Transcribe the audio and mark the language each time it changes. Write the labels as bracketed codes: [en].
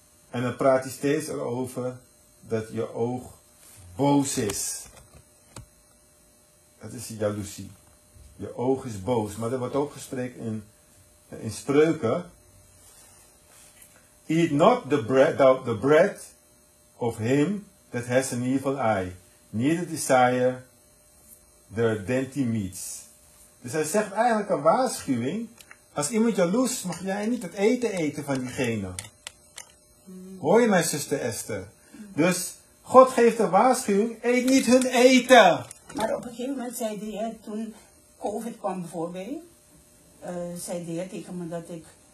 [nl] En dan praat hij steeds erover dat je oog boos is. Dat is die jaloezie. Je oog is boos. Maar er wordt ook gesproken in spreuken. [en] Eat not the bread... of him that has an evil eye, neither desire the dainty meats. [nl] Dus hij zegt eigenlijk een waarschuwing, als iemand jaloers is, mag jij niet het eten eten van diegene. Hoor je mij, zuster Esther? Dus God geeft een waarschuwing, eet niet hun eten. Maar op een gegeven moment zei de heer, toen COVID kwam voorbij, zei de heer tegen me dat ik...